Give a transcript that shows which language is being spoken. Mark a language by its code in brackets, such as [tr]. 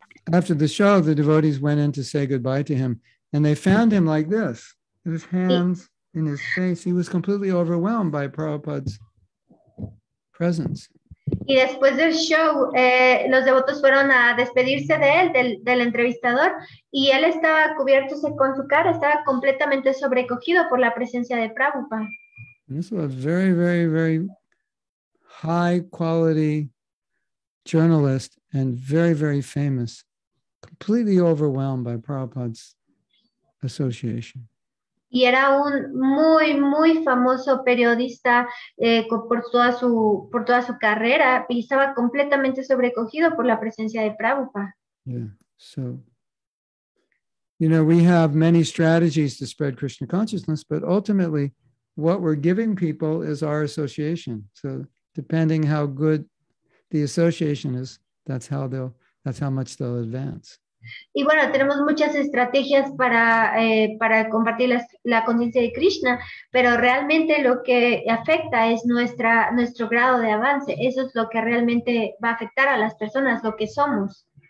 [en] After the show, the devotees went in to say goodbye to him, and they found him like this, with his hands in his face. He was completely overwhelmed by Prabhupada's presence. [es] Y después del show, los devotos fueron a despedirse de él, del entrevistador, y él estaba cubierto con su cara, estaba completamente sobrecogido por la presencia de Prabhupada. [en] This was a very, very, very high quality journalist and very, very famous, completely overwhelmed by Prabhupada's association. [es] Y era un muy, muy famoso periodista por toda su carrera y estaba completamente sobrecogido por la presencia de Prabhupada. [en] Yeah, so, you know, we have many strategies to spread Krishna consciousness, but ultimately what we're giving people is our association. So depending how good the association is, that's how much they'll advance. [es] Y bueno, tenemos muchas estrategias para compartir la conciencia de Krishna, pero realmente lo que afecta es nuestro grado de avance. Eso es lo que realmente va a afectar a las personas, lo que somos.